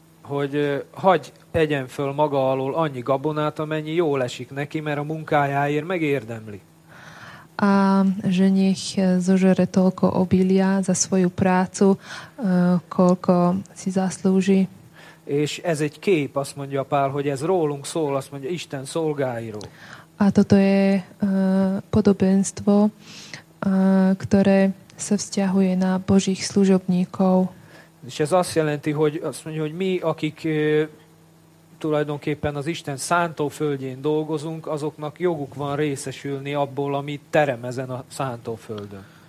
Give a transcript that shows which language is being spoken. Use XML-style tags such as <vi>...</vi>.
<hu>Hogy hagy egyen föl maga alól annyi gabonát, amennyi jól esik neki, mert a munkájáért megérdemli.</hu> <sk>A že nech zožere toľko obilia za svoju prácu, koľko si zaslúži.</sk> <hu>És ez egy kép, azt mondja Pál, hogy ez rólunk szól, azt mondja Isten szolgáiról.</hu> <sk>A toto je podobenstvo, ktoré sa vzťahuje na Božích služobníkov.</sk> <hu>És ez azt jelenti, hogy azt mondja, hogy mi, akik tulajdonképpen az Isten szántóföldjén dolgozunk, azoknak joguk van részesülni abból, amit terem ezen a szántóföldön.</hu>